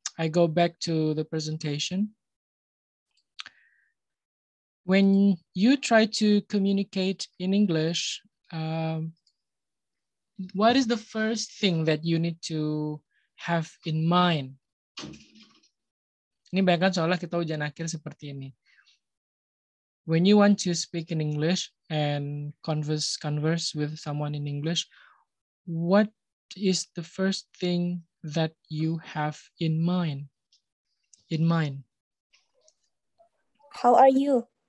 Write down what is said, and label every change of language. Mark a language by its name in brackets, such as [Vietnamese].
[English] I go back to the presentation. When you try to communicate in English, what is the first thing that you need to have in mind? [Indonesian] Ini bayangkan seolah kita ujian akhir seperti ini. [English] When you want to speak in English and converse with someone in English, what is the first thing that you have in mind? How are you?